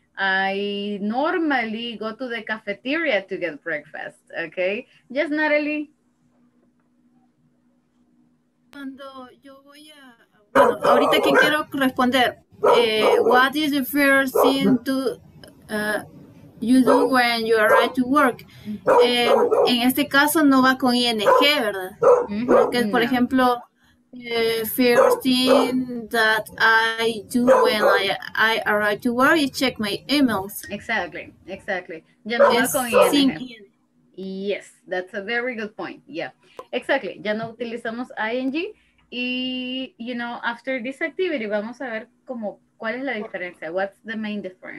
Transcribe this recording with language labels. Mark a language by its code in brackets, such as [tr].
[en] I normally go to the cafeteria to get breakfast. Okay. Yes, Natalie. [es] Cuando yo voy a. Bueno, ahorita que quiero responder. [en] What is the first thing to you do when you arrive to work? [es] En este caso no va con ING, ¿verdad? Porque, por ejemplo. [en] First thing that I do when I arrive to work is check my emails. Exactly. [es] Ya no es con ING. [en] Yes, that's a very good point. Yeah, exactly. [es] Ya no utilizamos ING. Y, [en] you know, after this activity, [es] vamos a ver como cuál es la diferencia. [en] What's the main difference?